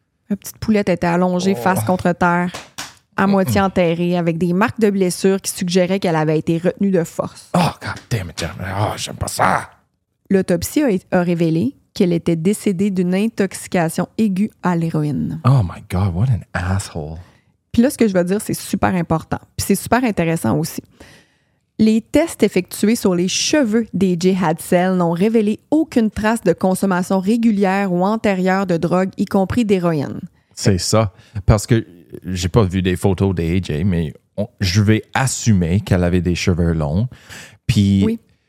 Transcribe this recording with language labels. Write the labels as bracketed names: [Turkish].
[French] La petite poulette était allongée face contre terre, à moitié enterrée, avec des marques de blessures qui suggéraient qu'elle avait été retenue de force. [English] Oh, God damn it, Jennifer. [French] Oh, j'aime pas ça. L'autopsie a révélé qu'elle était décédée d'une intoxication aiguë à l'héroïne. [English] Oh my God, what an asshole. [French] Puis là, ce que je vais dire, c'est super important. Puis c'est super intéressant aussi. Les tests effectués sur les cheveux d'AJ Hadsell n'ont révélé aucune trace de consommation régulière ou antérieure de drogue, y compris d'héroïne. C'est ça. Parce que j'ai pas vu des photos d'AJ, mais je vais assumer qu'elle avait des cheveux longs. Puis, oui.